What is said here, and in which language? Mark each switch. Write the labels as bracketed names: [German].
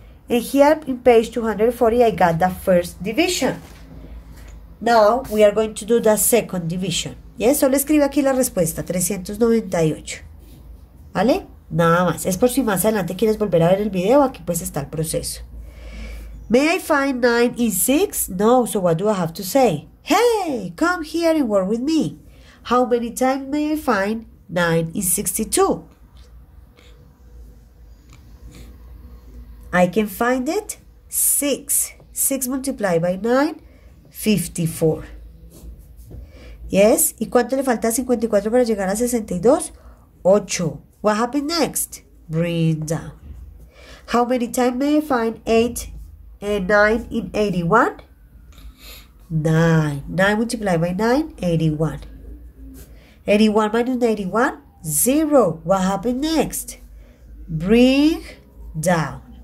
[English] And here in page 240, I got the first division. Now we are going to do the second division. Yes? [Spanish] Solo escribe aquí la respuesta, 398. ¿Vale? Nada más. Es por si más adelante quieres volver a ver el video, aquí pues está el proceso. [English] May I find 9 in 6? No, so what do I have to say? Hey, come here and work with me. How many times may I find 9 in 62? I can find it 6. 6 multiplied by 9, 54. Yes, [Spanish] ¿y cuánto le falta a 54 para llegar a 62? [English] 8. What happened next? Bring down. How many times may I find 8? And 9 in 81? 9. 9 multiplied by 9, 81. 81 minus 81? 0. What happened next? Bring down.